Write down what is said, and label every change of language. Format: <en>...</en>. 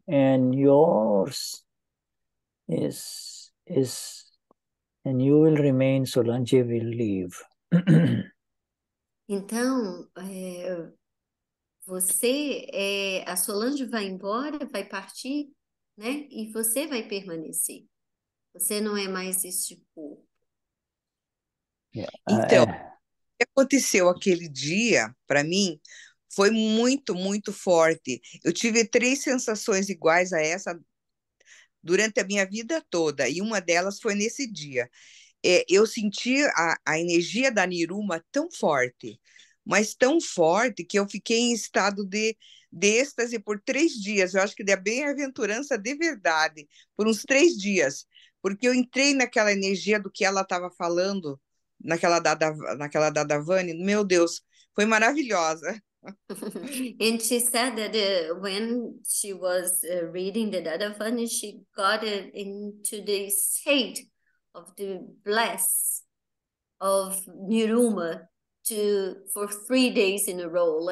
<en>And yours is, and you will remain, Solange will leave.</en> <pt>Então, você, a Solange vai embora, vai partir, né? E você vai permanecer. Você não é mais este povo.</pt> <en>Yeah.</en> <pt>Então, o que aconteceu aquele dia, para mim, foi muito, muito forte. Eu tive três sensações iguais a essa durante a minha vida toda, e uma delas foi nesse dia. Eu senti a energia da Niruma tão forte, mas tão forte, que eu fiquei em estado de êxtase por 3 dias. Eu acho que deu bem-aventurança de verdade, por uns 3 dias, porque eu entrei naquela energia do que ela estava falando, naquela dada Vani. Meu Deus, foi maravilhosa.</pt> <en>And she said that when she was reading the Dada Vani, she got into the state of the bliss of Niruma for 3 days in a row.</en>